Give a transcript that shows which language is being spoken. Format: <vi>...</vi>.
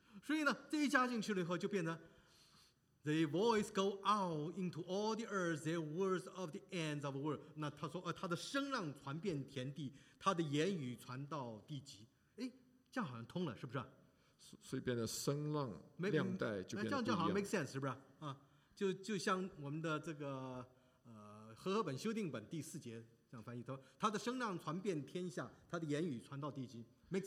<zh>2,000年希腊学者不明白，所以另外加了东西进去。所以呢，这一加进去了以后，就变成</zh> <en>the voice go out into all the earth, the words of the ends of the world.</en> <zh>那他说，他的声浪传遍天地，他的言语传到地极。哎，这样好像通了，是不是？所以变得声浪亮带就变得不一样。那这样就好像make sense，是不是？就像我们的这个和合本修订本第四节这样翻译，他的声浪传遍天下，他的言语传到地极，make</zh>